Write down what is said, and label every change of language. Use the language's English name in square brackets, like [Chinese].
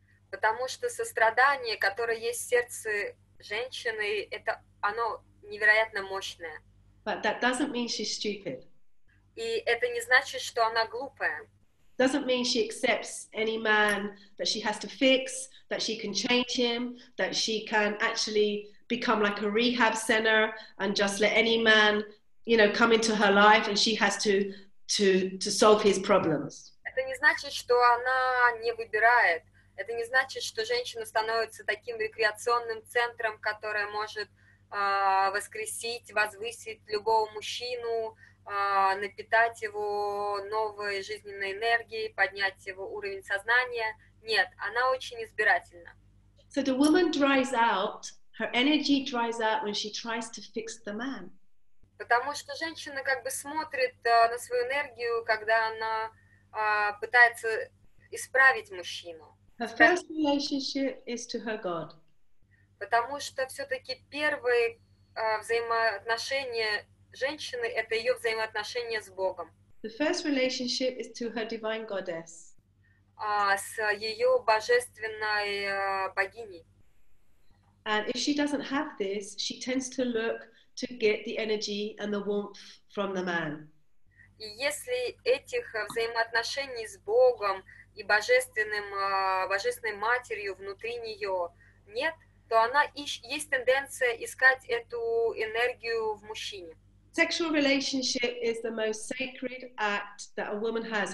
[Russian] Потому что сострадание, которое есть в сердце женщины, это оно невероятно мощное. [English] But that doesn't mean she's stupid. [Russian] И это не значит, что она глупая. [English] Doesn't mean she accepts any man that she has to fix, that she can change him, that she can actually become like a rehab center and just let any man, you know, come into her life and she has to solve his problems. [Russian] Это не значит, что она не выбирает. Это не значит, что женщина становится таким рекреационным центром, которая может воскресить, возвысить любого мужчину, напитать его новой жизненной энергией, поднять его уровень сознания. Нет, она очень избирательна. [English] So the woman dries out, her energy dries out when she tries to fix the man. [Russian] Потому что женщина как бы смотрит на свою энергию, когда она пытается исправить мужчину. [English] Her first relationship is to her God. [Russian] Потому что все-таки первые взаимоотношения женщины — это ее взаимоотношения с Богом. [English] The first relationship is to her divine goddess. [Russian] С ее божественной богиней. [English] And if she doesn't have this, she tends to look to get the energy and the warmth from the man. [Russian] И если этих взаимоотношений с Богом и божественной матерью внутри нее нет, то она есть тенденция искать эту энергию в мужчине. [English] Sexual relationship is the most sacred act that a woman has.